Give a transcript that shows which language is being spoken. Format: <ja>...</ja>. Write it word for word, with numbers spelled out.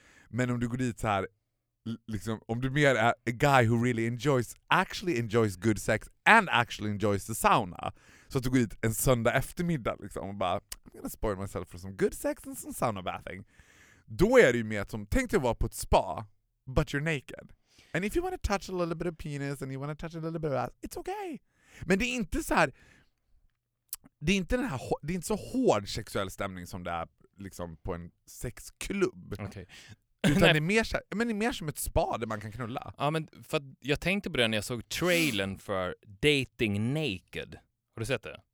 <sv>Men om du går dit så här, liksom, om du mer är</sv> <en>a guy who really enjoys, actually enjoys good sex and actually enjoys the sauna.</en> <sv>Så att du går dit en söndag eftermiddag liksom, och bara,</sv> <en>I'm gonna spoil myself for some good sex and some sauna bathing.</en> <sv>Då är det ju mer som, tänk dig att vara på ett spa,</sv> <en>but you're naked. And if you want to touch a little bit of penis and you want to touch a little bit of ass, it's okay.</en> <sv>Men det är inte så här... Det är inte den här, det är inte så hård sexuell stämning som det är liksom på en sexklubb.</sv> <en>Okay.</en> <sv>Utan det är mer så, men det är mer som ett spa där man kan knulla. Ja, men för att jag tänkte på det när jag såg trailern för Dating Naked. Har du sett det?</sv>